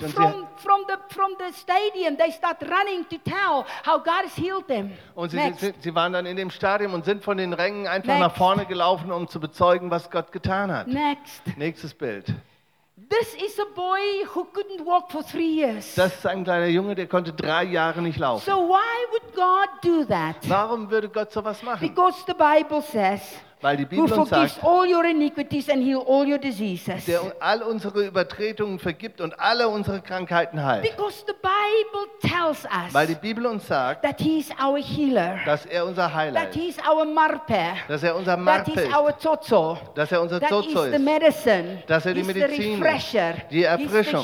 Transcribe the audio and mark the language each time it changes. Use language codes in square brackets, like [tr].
[en] And they start running from the stadium. They start running to tell how God has healed them. [de] Und sie waren dann in dem Stadion und sind von den Rängen einfach [en] Next. [de] Nach vorne gelaufen, um zu bezeugen, was Gott getan hat. [en] Next. [de] Nächstes Bild. [en] This is a boy who couldn't walk for 3 years. [de] Das ist ein kleiner Junge, der konnte 3 Jahre nicht laufen. [en] So why would God do that? [de] Warum würde Gott sowas machen? [en] Because the Bible says, [de] weil die Bibel uns sagt, [en] all your iniquities and heal all your diseases. [de] Der all unsere Übertretungen vergibt und alle unsere Krankheiten heilt. [en] Because the Bible tells us, [de] weil die Bibel uns sagt, [en] that he is our healer, [de] dass er unser Heiler ist, [en] that he is our marpe, [de] dass er unser Marpe ist, [en] that he is our zozo, [de] dass er unser Zozo ist, [en] the medicine, [de] dass er die Medizin ist, die Erfrischung,